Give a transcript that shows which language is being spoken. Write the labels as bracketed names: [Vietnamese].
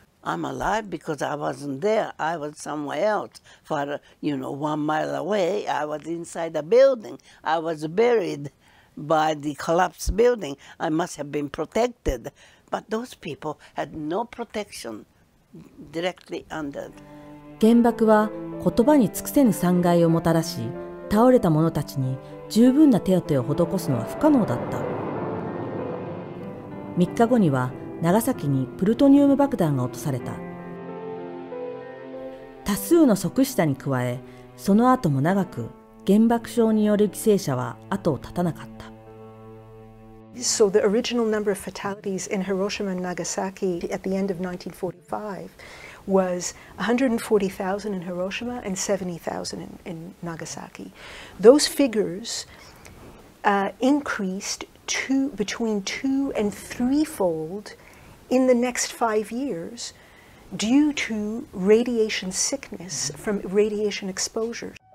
[English] I'm alive because I wasn't there. I was somewhere else, far, you know, 1 mile away. I was inside a building. I was buried by the collapsed building. I must have been protected. But those people had no protection directly under. [Japanese] 原爆は言葉に尽くせぬ惨害をもたらし、倒れた者たちに十分な手当を施すのは不可能だった。 3日後には長崎にプルトニウム爆弾が落とされた。多数の即死者に加え、その後も長く原爆症による犠牲者は後を絶たなかった。 [English] So the original number of fatalities in Hiroshima and Nagasaki at the end of 1945 was 140,000 in Hiroshima and 70,000 in Nagasaki. Those figures increased between two and threefold in the next 5 years due to radiation sickness from radiation exposure.